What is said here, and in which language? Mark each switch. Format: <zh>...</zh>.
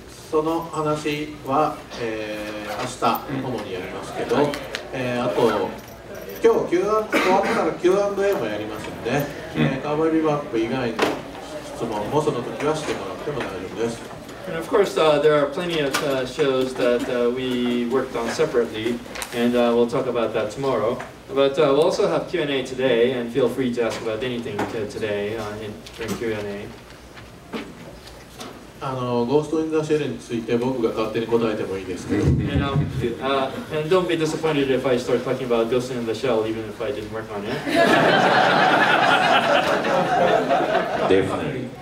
<ja>その話は、明日主にやりますけど、あと今日終わったら Q&A もやりますんで、カーボーイビバップ以外の質問もその時はしてもらっても大丈夫です。</ja> <en>And of course, there are plenty of shows that we worked on separately, and we'll talk about that tomorrow. But we'll also have Q&A today, and feel free to ask about anything today in Q&A.</en> <ja>ゴーストインザシェルについて僕が勝手に答えてもいいですけど。</ja> <en>And don't be disappointed if I start talking about Ghost in the Shell even if I didn't work on it.</en>